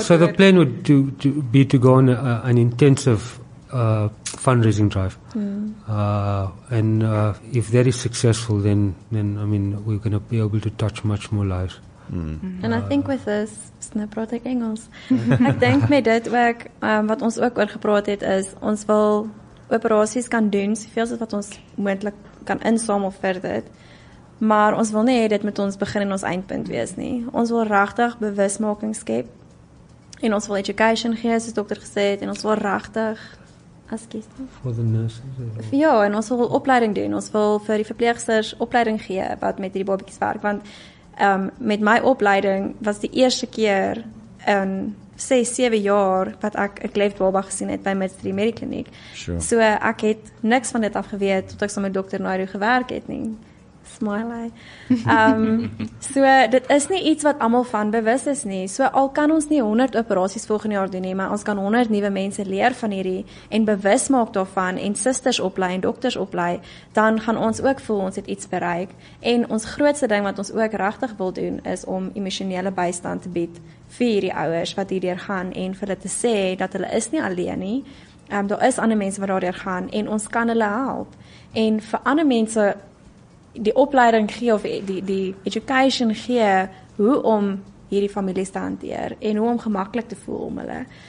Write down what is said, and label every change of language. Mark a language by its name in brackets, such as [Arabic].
[English] So the plan would to be to go on an intensive fundraising drive. And if that is successful, then I mean, we're going to be able to touch much more lives. Mm. And I think with this, [Afrikaans] snap praat ek Engels. Ek dink met dit ook, wat ons ook oor gepraat het, is ons wil operasies kan doen, soveel as wat ons moontlik kan insamel vir dit. Maar ons wil nie hê dit moet ons begin en ons eindpunt wees nie. Ons wil regtig bewusmaking skep en ons wil education gee, soos dokter gesê het, en ons wil regtig [English] For the nurses? [Afrikaans] Ja, en ons wil opleiding doen. Ons wil vir die verpleegsters opleiding gee wat met die babietjies werk, want met my opleiding was die eerste keer in 6-7 jaar wat ek 'n cleft baba gesien het by Midstream Medikliniek. [English] Sure. [Afrikaans] So ek het niks van dit af geweet tot ek saam met dokter Nairo gewerk het nie. Smiley. So dit is nie iets wat almal van bewus is nie. So al kan ons nie 100 operasies volgende jaar doen nie, maar ons kan 100 nuwe mense leer van hierdie en bewus maak daarvan en susters oplei en dokters oplei, dan gaan ons ook voel ons het iets bereik. En ons grootste ding wat ons ook regtig wil doen is om emosionele bystand te bied vir hierdie ouers wat hierdeur gaan en vir hulle te sê dat hulle is nie alleen nie Daar is ander mense wat daardeur gaan en ons kan hulle help. En vir ander mense die opleiding gee of die education gee hoe om hierdie families te hanteer en hoe om gemaklik te voel om hulle.